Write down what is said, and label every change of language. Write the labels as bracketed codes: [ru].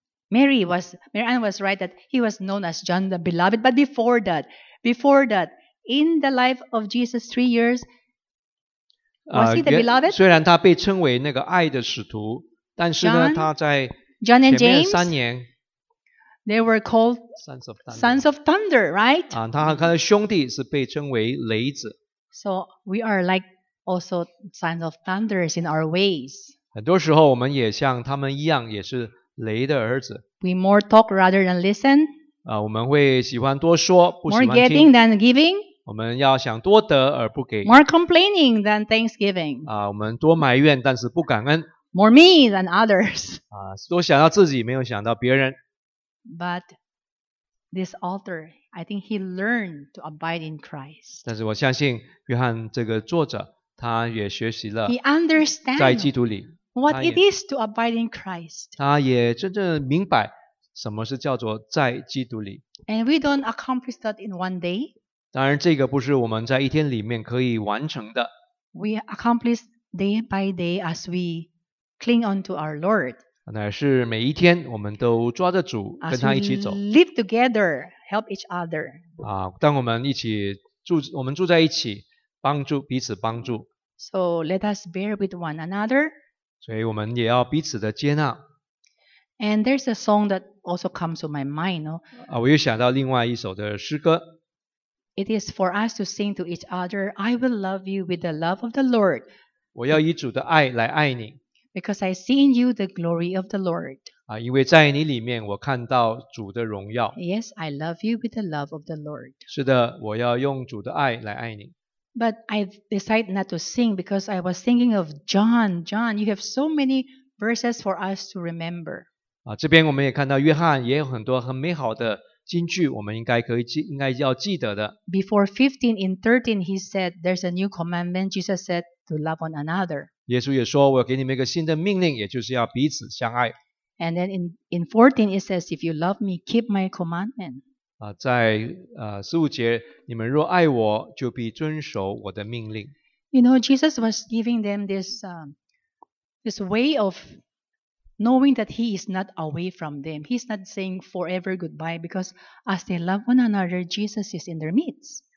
[en] Mary Ann was right that he was known as John the Beloved. But before that, in the life of Jesus 3 years, was he the Beloved? [zh] 虽然他被称为那个爱的使徒，但是呢，他在 [en] John and James, they were called sons of thunder, right? [zh] 他和他的兄弟是被称为雷子。 [en] So we are like also sons of thunders in our ways. [zh] 很多时候我们也像他们一样，也是雷的儿子。 [en] We more talk rather than listen. [zh] 我们会喜欢多说，不喜欢听。 [en] More getting than giving. [zh] 我们要想多得而不给。 [en] More complaining than thanksgiving. [zh] 我们多埋怨，但是不感恩。 [en] More me than others. [zh] 多想到自己，没有想到别人。 [en] But this author, I think he learned to abide in Christ. [zh] 但是我相信约翰这个作者，他也学习了。 [en] He understands [zh] 在基督里 [en] what it is to abide in Christ. [zh] 他也真正明白什么是叫做在基督里。 [en] And we don't accomplish that in one day. [zh] 当然，这个不是我们在一天里面可以完成的。 [en] We accomplish day by day as we Cling on to our Lord. [zh] 乃是每一天，我们都抓着主，跟他一起走。 [en] Live together, help each other. [zh] 当我们一起住，我们住在一起，帮助彼此帮助。 [en] So let us bear with one another. [zh] 所以我们也要彼此的接纳。 [en] And there's a song that also comes to my mind. No? [zh] 啊、我又想到另外一首的诗歌。 [en] It is for us to sing to each other, I will love you with the love of the Lord. [zh] 我要以主的爱来爱你。 [en] Because I see in you the glory of the Lord. [zh] 啊、因为在你里面我看到主的荣耀。 [en] Yes, I love you with the love of the Lord. [zh] 是的，我要用主的爱来爱你。 [en] But I decided not to sing because I was thinking of John. John, you have so many verses for us to remember. [zh] 啊、这边我们也看到约翰也有很多很美好的金句，我们应该可以记，应该要记得的。 [en] Before 15 in 13, he said, there's a new commandment, Jesus said, to love one another. [zh] 耶稣也说，我给你们一个新的命令，也就是要彼此相爱。 [en] And then in 14, it says, if you love me, keep my commandment. [zh] 啊、在十五节，你们若爱我，就必遵守我的命令。 [en] You know, Jesus was giving them this, this way of knowing that he is not away from them. He's not saying forever goodbye because as they love one another, Jesus is in their midst.